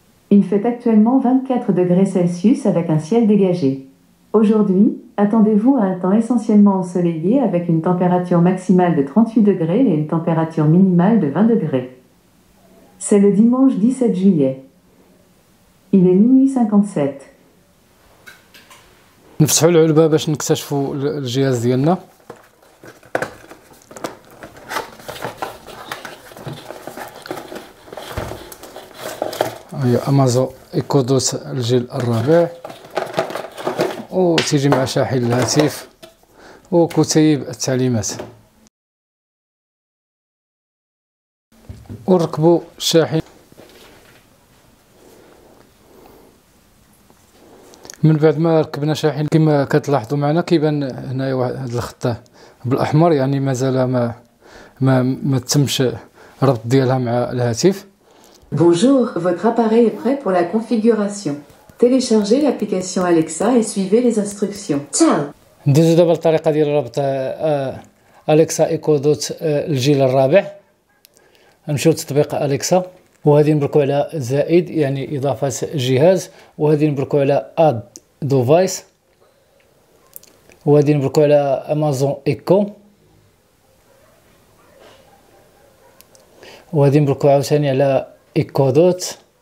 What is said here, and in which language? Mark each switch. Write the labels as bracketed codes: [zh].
[fr] Il fait actuellement 24 degrés Celsius avec un ciel dégagé. Aujourd'hui, attendez-vous à un temps essentiellement ensoleillé avec une température maximale de 38 degrés et une température minimale de 20 degrés. C'est le dimanche 17 juillet. Il est minuit 57. [ar] نفتحوا العلبة باش نكتشفوا الجهاز ديالنا. هي امازو ايكو دوت الجيل الرابع، و تيجي مع شاحن الهاتف وكتيب التعليمات. وركبوا الشاحن، من بعد ما ركبنا شاحن كما كتلاحظوا معنا كيبان هنايا واحد هذا الخط بالاحمر، يعني مازال ما تمش ربط ديالها مع الهاتف. [fr] Bonjour, votre appareil est prêt pour la configuration. Téléchargez l'application Alexa et suivez les instructions. [it] Ciao. [ar] Ndizo dabal الطريقه ديال ربط Alexa Echo Dot الجيل الرابع. نمشيو لتطبيق Alexa وغادي نبركو على زائد، يعني اضافه جهاز، وغادي نبركو على اد ديفايس، وغادي نبركو على امازون ايكو، وغادي نبركو عاوتاني على ايكو دوت.